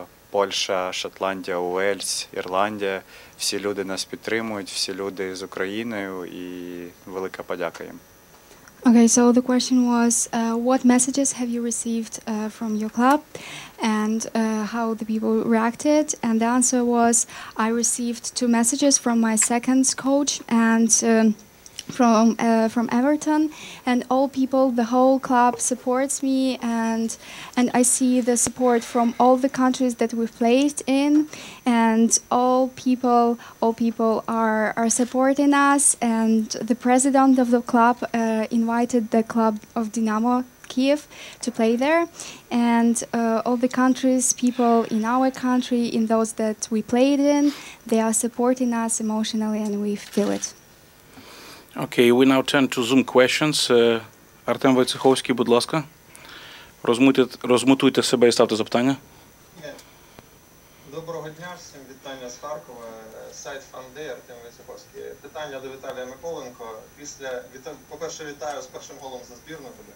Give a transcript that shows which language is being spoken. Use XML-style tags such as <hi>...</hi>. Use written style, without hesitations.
<uk>Польща, Шотландія, Уельс, Ірландія. Всі люди нас підтримують, всі люди з Україною, і велика подяка їм.</uk> <en>Okay, so the question was, what messages have you received from your club and how the people reacted? And the answer was, I received two messages from my second coach and from Everton, and all people, the whole club supports me, and I see the support from all the countries that we've played in, and all people are supporting us, and the president of the club invited the club of Dynamo Kyiv to play there, and all the countries, people in our country, in those that we played in, they are supporting us emotionally, and we feel it. Окей, okay, we now turn to Zoom questions.</en> <uk>Артем Войцеховський, будь ласка. Розмутуйте себе і ставте запитання. Доброго дня всім, вітання з Харкова. Сайт Фанди, Артем Войцеховський. Питання до Віталія Миколенко. По-перше, вітаю з першим голом за збірну.</uk>